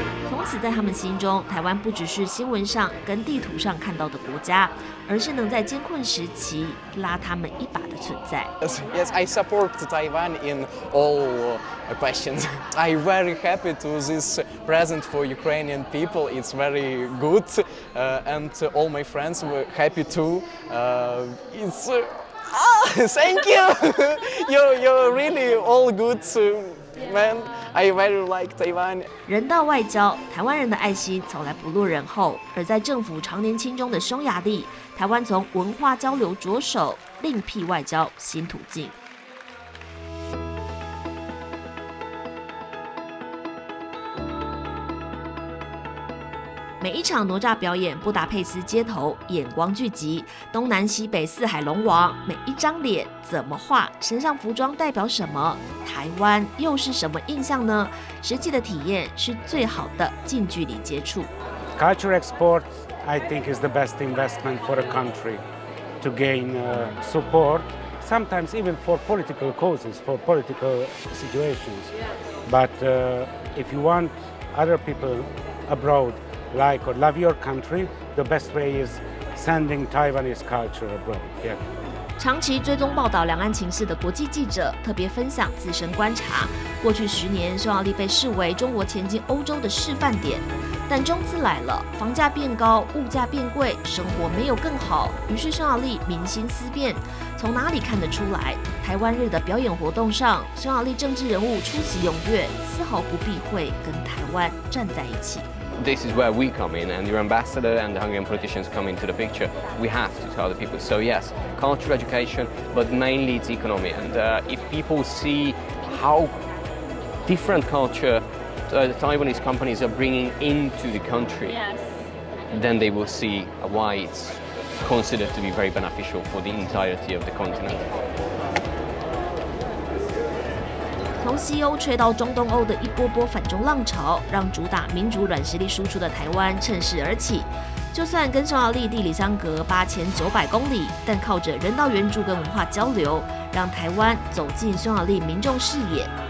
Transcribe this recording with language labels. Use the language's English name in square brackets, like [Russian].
[Chinese] 从此在他们心中，台湾不只是新闻上跟地图上看到的国家，而是能在艰困时期拉他们一把的存在。 [English] Yes, I support Taiwan in all questions. I very happy to this present for Ukrainian people. It's very good, and all my friends were happy too. It's thank you. You're really all good man. I very like Taiwan. [Chinese] 人道外交，台湾人的爱心从来不落人后，而在政府常年轻中的匈牙利。台湾从文化交流着手，另辟外交新途径。每一场哪吒表演，布达佩斯街头眼光聚集，东南西北四海龙王，每一张脸怎么画，身上服装代表什么，台湾又是什么印象呢？实际的体验是最好的近距离接触。 [English] Culture exportI think is the best investment for a country. to gain support, sometimes even for political causes, for political situations. But if you want other people abroad like or love your country, the best way is sending Taiwanese culture abroad. Yeah. [Chinese] 长期追踪报道两岸情势的国际记者特别分享自身观察，过去十年匈牙利被视为中国前进欧洲的示范点，但中资来了，房价变高，物价变贵，生活没有更好，于是匈牙利民心思变。从哪里看得出来？台湾日的表演活动上，匈牙利政治人物出席踊跃，丝毫不避讳跟台湾站在一起。 [English] This is where we come in, and your ambassador and the Hungarian politicians come into the picture. We have to tell the people. So yes, cultural education, but mainly it's economy. And if people see how different culture the Taiwanese companies are bringing into the country, yes. then they will see why it's considered to be very beneficial for the entirety of the continent. [Chinese] 从西欧吹到中东欧的一波波反中浪潮，让主打民主软实力输出的台湾趁势而起。就算跟匈牙利地理相隔8900公里，但靠着人道援助跟文化交流，让台湾走进匈牙利民众视野。